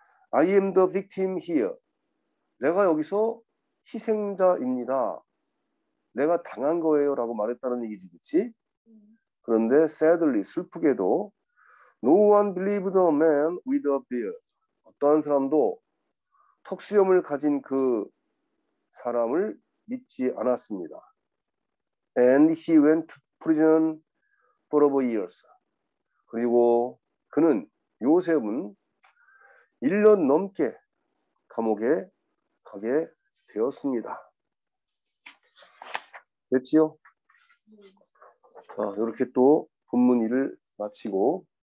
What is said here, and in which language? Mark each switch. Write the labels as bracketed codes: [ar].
[en] I am the victim here. [ko] 내가 여기서 희생자입니다. 내가 당한 거예요. 라고 말했다는 얘기지, 그치? 그런데 [en] sadly, [ko] 슬프게도 [en] no one believed a man with a beard. [ko] 어떠한 사람도 턱수염을 가진 그 사람을 믿지 않았습니다. [en] And he went to prison for over years. [ko] 그리고 그는, 요셉은 1년 넘게 감옥에 가게 되었습니다. 됐지요? 자, 이렇게 또 본문 1을 마치고